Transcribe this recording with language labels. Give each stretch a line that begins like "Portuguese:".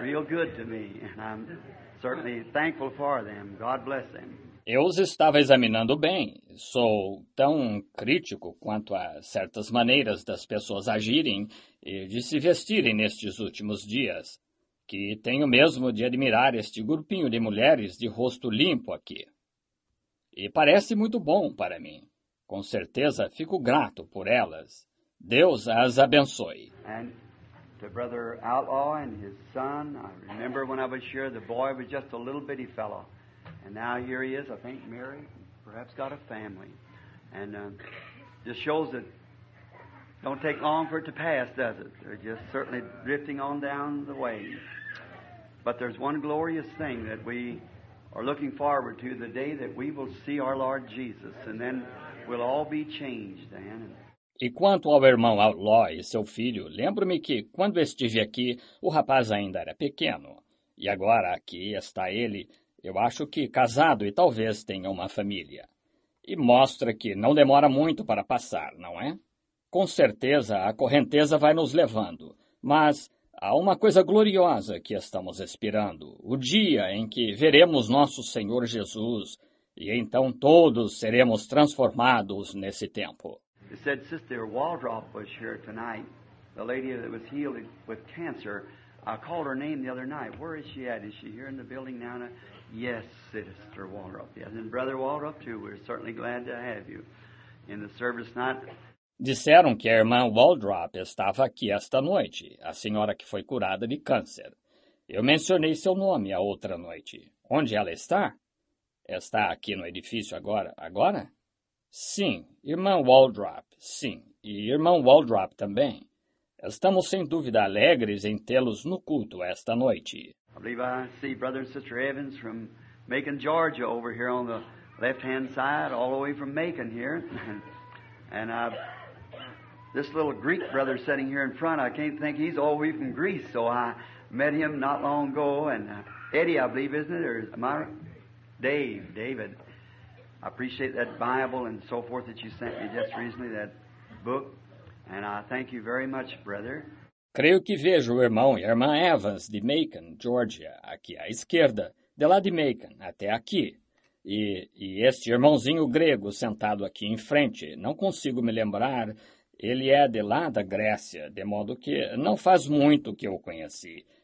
English: real good to me, and I'm certainly thankful for them. God bless them.
Portuguese: Eu os estava examinando bem. Sou tão crítico quanto a certas maneiras das pessoas agirem e de se vestirem nestes últimos dias, que tenho mesmo de admirar este grupinho de mulheres de rosto limpo aqui. E parece muito bom para mim. Com certeza fico grato por elas. Deus as abençoe.
English: And to Brother Outlaw and his son, I remember when I was here, the boy was just a little bitty fellow. And now here he is, I think, married, perhaps got a family. And this shows that don't take long for it to pass, does it? They're just certainly drifting on down the way. But there's one glorious thing that we are looking forward to, the day that we will see our Lord Jesus, and then we'll all be changed, Anne.
Portuguese: E quanto ao irmão Outlaw e seu filho, lembro-me que, quando estive aqui, o rapaz ainda era pequeno. E agora, aqui está ele, eu acho que casado e talvez tenha uma família. E mostra que não demora muito para passar, não é? Com certeza, a correnteza vai nos levando, mas... Há uma coisa gloriosa que estamos esperando, o dia em que veremos nosso Senhor Jesus, e então todos seremos transformados nesse tempo.
English: He said Sister Waldrop was here tonight, the lady that was healed with cancer. I called her name the other night. Where is she at? Is she here in the building now? Yes, Sister Waldrop. Yes, and Brother Waldrop too. We're certainly glad to have you in the service tonight.
Portuguese: Disseram que a irmã Waldrop estava aqui esta noite, a senhora que foi curada de câncer. Eu mencionei seu nome a outra noite. Onde ela está? Está aqui no edifício agora? Agora? Sim, irmã Waldrop, sim. E irmão Waldrop também. Estamos sem dúvida alegres em tê-los no culto esta noite. Eu acredito que vejo
English: Brother and Sister Evans from Macon, Georgia, over here on the left-hand side, all the way from Macon here. And I've... This little Greek brother sitting here in front, I can't think he's all the way from Greece, so I met him not long ago, and Eddie, I believe, isn't it, or David, I appreciate that Bible and so forth that you sent me just recently, that book, and I thank you very much, brother.
Portuguese: Creio que vejo o irmão e a irmã Evans de Macon, Georgia, aqui à esquerda, de lá de Macon até aqui. E este irmãozinho grego sentado aqui em frente, não consigo me lembrar... Ele é de lá da Grécia, de modo que não faz muito que eu conheci.